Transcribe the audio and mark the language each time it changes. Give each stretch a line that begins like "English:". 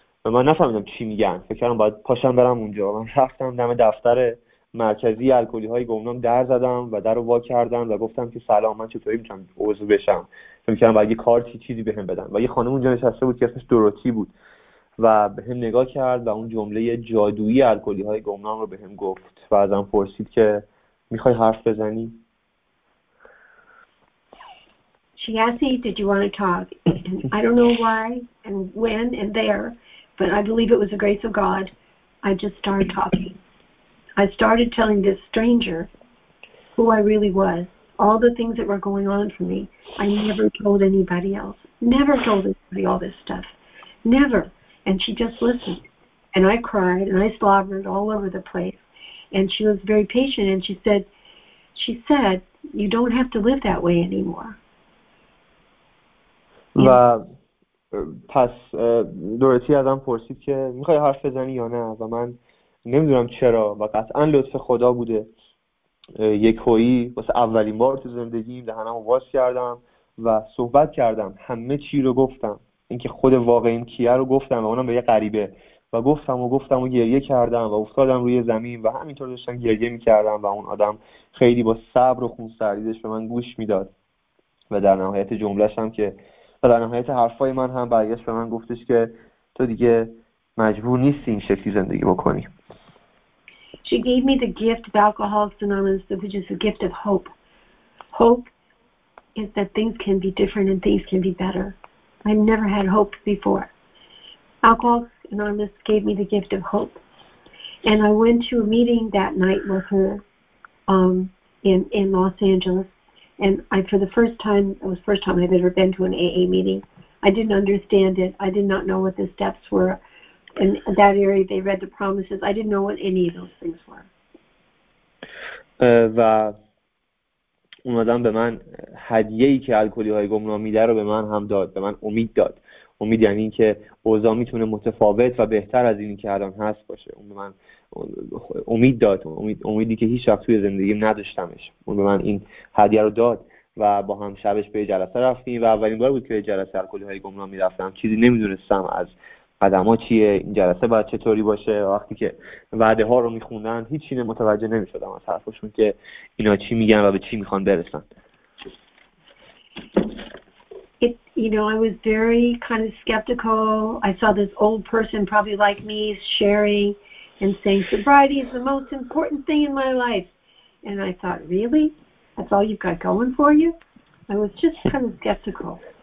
Persian: و من نفهمیدم چی میگن، فکر کردم باید پاشم برم اونجا. من رفتم دم دفتر مرکزی الکلی های گمنام در زدم و در رو وا کردم و گفتم که سلام، من چطوری میتونم عضو بشم، فکر کردم باید یه کارتی چیزی بهم بدن. و یه خانم اونجا نشسته بود که اسمش دوروتی بود و بهم نگاه کرد و اون جمله جادویی الکلی های گمنام رو بهم گفت و ازم پرسید که میخوای حرف بزنی؟
English: She asked me, did you want to talk? I don't know why and when and there, but I believe it was the grace of God. I just started talking. I started telling this stranger who I really was, all the things that were going on for me. I never told anybody else, never told anybody all this stuff, never. And she just listened. And I cried and I slobbered all over the place. And she was very patient and she said, you don't have to live that way anymore.
Persian: و پس دورتی ازم پرسید که میخوای حرف بزنی یا نه، و من نمیدونم چرا و قطعا لطف خدا بوده، یک هایی واسه اولین بار تو زندگیم دهنم رو باز کردم و صحبت کردم، همه چی رو گفتم، اینکه خود واقعیم کیه رو گفتم و اونم به یه غریبه، و گفتم و گریه کردم و افتادم روی زمین و همینطور داشتم گریه میکردم و اون آدم خیلی با صبر و خونسردیش به من گوش میداد و در نهایت جملهش هم که و در نهایت حرفای من هم برگشت به من گفتش که تو دیگه مجبور نیستی این شکلی زندگی بکنی.
English: She gave me the gift of Alcoholics Anonymous, which is the gift of hope. Hope is that things can be different and things can be better. I never had hope before. Alcoholics Anonymous gave me the gift of hope. And I went to a meeting that night with her in Los Angeles. And I, for the first time, it was the first time I'd ever been to an AA meeting. I didn't understand it. I did not know what the steps were. In that area, they read the promises. I didn't know what any of those things were.
Persian: و اون آدم به من هدیه‌ای که الکلی‌های گمنام میده رو به من هم داد. به من امید داد. امید یعنی این که اوضاع میتونه متفاوت و بهتر از اینی که الان هست باشه. اون به من امید داد، امیدی که هیچ وقت توی زندگیم نداشتمش. اون به من این هدیه رو داد و با هم شبش به جلسه رفتیم و اولین بار بود که به جلسه الکلی های گمنام میرفتم. چیزی نمیدونستم از قدم ها چیه، این جلسه باید چطوری باشه. وقتی که وعده ها رو میخوندن هیچ چیز متوجه نمیشدم از حرفشون که اینا چی میگن و به چی میخوان برسن.
English: You know, I was very kind of skeptical. I saw this old person probably like me sharing and saying sobriety is the most important thing in my life. And I thought, really? That's all you've got going for you? I was just kind of skeptical.